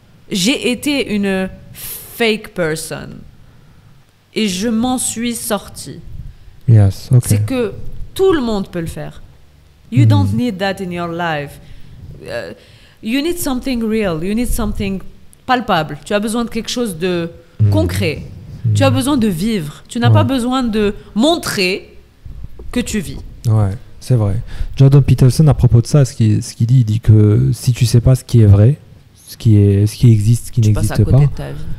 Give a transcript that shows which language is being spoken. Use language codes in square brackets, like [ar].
[fr] J'ai été une fake person et je m'en suis sortie. [en] Yes, okay. [fr] C'est que tout le monde peut le faire. [en] You don't need that in your life. You need something real, you need something palpable. [fr] Tu as besoin de quelque chose de concret. Tu as besoin de vivre. Tu n'as pas besoin de montrer que tu vis. Ouais, c'est vrai. Jordan Peterson, à propos de ça, ce qu'il dit, il dit que si tu ne sais pas ce qui est vrai, ce qui existe, ce qui n'existe pas. Tu passes à côté de ta vie.